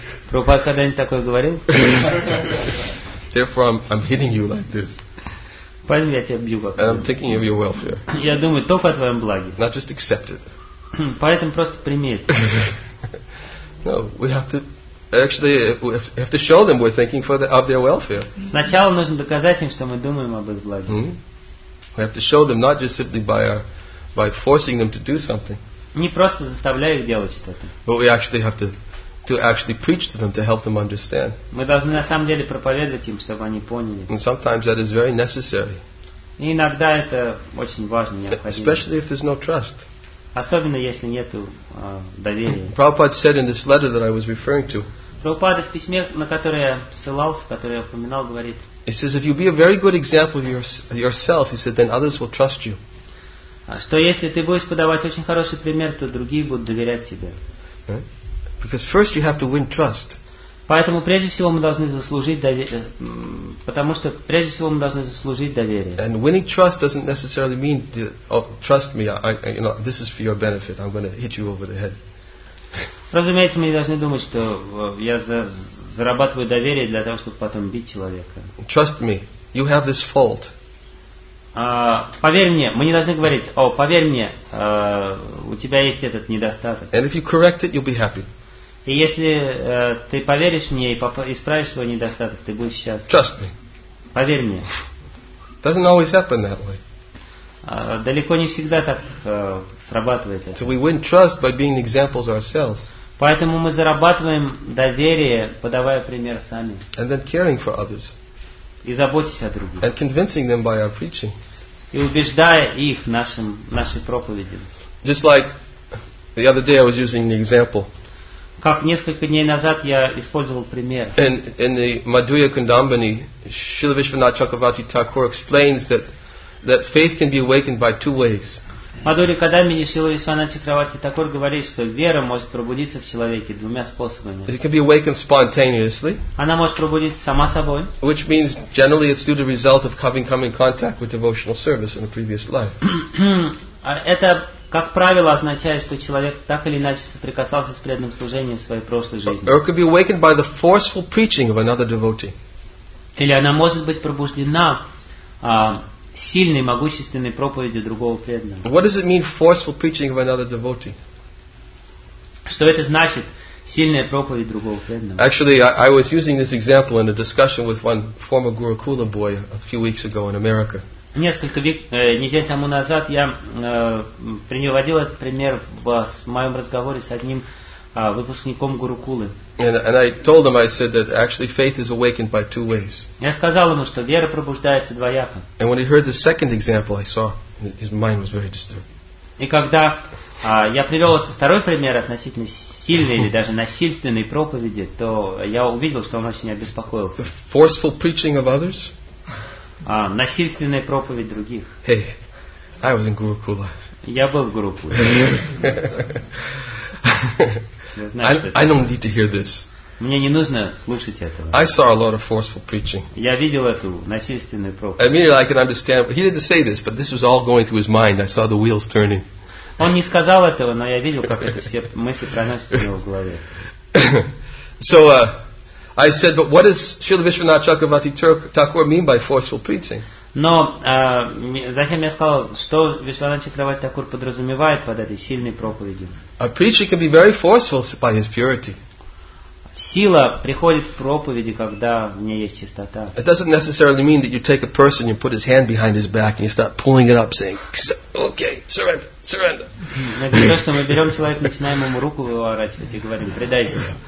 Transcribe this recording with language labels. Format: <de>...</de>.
<ru>Прабхупад когда-нибудь такое говорил?</ru> <en>Therefore, I'm hitting you like this.</en> <ru>Поэтому я тебя бью как.</ru> <en>And I'm thinking of your welfare.</en> <ru>Я думаю только о твоем благе.</ru> <en>Not just accept it.</en> <ru>Поэтому просто прими это.</ru> <en>No, we have to actually we have to show them we're thinking for the, of their welfare.</en> <ru>Сначала нужно доказать им, что мы думаем об их благе.</ru> <en>We have to show them not just simply by our, by forcing them to do something.</en> <ru>Не просто заставляя их делать что-то.</ru> <en>But we actually have to actually preach to them to help them understand.</en> <ru>Мы должны на самом деле проповедовать им, чтобы они поняли.</ru> <en>And sometimes that is very necessary.</en> <ru>И иногда это очень важно, необходимо.</ru> <en>Especially if there's no trust.</en> <ru>Особенно если нету доверия.</ru> <en>Prabhupada said in this letter that I was referring to.</en> <ru>Prabhupada в письме, на которое я ссылался, которое я упоминал, говорит.</ru> <en>He says, if you be a very good example of yourself, he said, then others will trust you.</en> <ru>Что если ты будешь подавать очень хороший пример, то другие будут доверять тебе.</ru> <en>Because first you have to win trust.</en> <ru>Поэтому прежде всего мы должны заслужить доверие, потому что прежде всего мы должны заслужить доверие.</ru> <en>And winning trust doesn't necessarily mean the, oh, trust me, you know, this is for your benefit. I'm going to hit you over the head.</en> <ru>Разумеется, мы не должны думать, что я зарабатываю доверие для того, чтобы потом бить человека.</ru> <en>Trust me, you have this fault.</en> <ru>Поверь мне, мы не должны говорить, о, поверь мне, у тебя есть этот недостаток.</ru> <en>And if you correct it, you'll be happy.</en> <ru>И если ты поверишь мне и исправишь свой недостаток, ты будешь счастлив.</ru> <en>Trust me.</en> <ru>Поверь мне.</ru> <en>Doesn't always happen that way.</en> <ru>Далеко не всегда так срабатывает.</ru> <en>So we win trust by being examples ourselves.</en> <ru>Поэтому мы зарабатываем доверие, подавая пример сами.</ru> <en>And then caring for others.</en> <ru>И заботясь о других.</ru> <en>And convincing them by our preaching.</en> <ru>И убеждая их нашей проповедью.</ru> <en>Just like the other day I was using the example.</en> <ru>Как несколько дней назад я использовал пример.</ru> <en>In the Madhuya Kundambani, Śrīla Viśvanātha Chakravarti Thakura explains that faith can be awakened by two ways.</en> <ru>Madhuya Kundambani, Śrīla Viśvanātha Chakravarti Thakura говорит, что вера может пробудиться в человеке двумя способами.</ru> <en>It can be awakened spontaneously.</en> <ru>Она может пробудиться сама собой.</ru> <en>Which means generally it's due to the result of having come in contact with devotional service in a previous life.</en> <ru>Это как правило, означает, что человек так или иначе соприкасался с преданным служением в своей прошлой жизни.</ru> <en>Or could be awakened by the forceful preaching of another devotee.</en> <ru>Или она может быть пробуждена сильной, могущественной проповедью другого преданного.</ru> <en>What does it mean, forceful preaching of another devotee?</en> <ru>Что это значит, сильная проповедь другого преданного?</ru> <en>Actually, I was using this example in a discussion with one former Gurukula boy a few weeks ago in America.</en> <ru>Несколько недель тому назад я приводил этот пример в моем разговоре с одним выпускником Гурукулы.</ru> <en>And I told him, I said that actually faith is awakened by two ways.</en> <ru>Я сказал ему, что вера пробуждается двояко.</ru> <en>And when he heard the second example, I saw his mind was very disturbed.</en> <ru>И когда я привел второй пример относительно сильной или даже насильственной проповеди, то я увидел, что он очень обеспокоился.</ru> <en>The forceful preaching of others.</en> <ru>Насильственная проповедь других.</ru> <en>Hey, I was in Gurukula.</en> <ru>Я был в Гурукуле.</ru> <en>I don't need to hear this.</en> <ru>Мне не нужно слушать этого.</ru> <en>I saw a lot of forceful preaching.</en> <ru>Я видел эту насильственную проповедь.</ru> <en>Immediately I can understand. He didn't say this, but this was all going through his mind. I saw the wheels turning.</en> <ru>Он не сказал этого, но я видел, как это все мысли проносятся в его голове.</ru> <en>So I said, but what does Srila Vishwanatha Chakravarti Thakur mean by forceful preaching?</en> <ru>Но затем я сказал, что Вишванатха Чакраварти Такур подразумевает под этой сильной проповедью.</ru> <en>A preacher can be very forceful by his purity.</en> <ru>Сила приходит в проповеди, когда в ней есть чистота.</ru> <en>It doesn't necessarily mean that you take a person, you put his hand behind his back, and you start pulling it up, saying, "Okay, surrender, surrender."</en> <ru>Не то, что мы берем человека, начинаем ему руку выворачивать и говорим, предайся.</ru>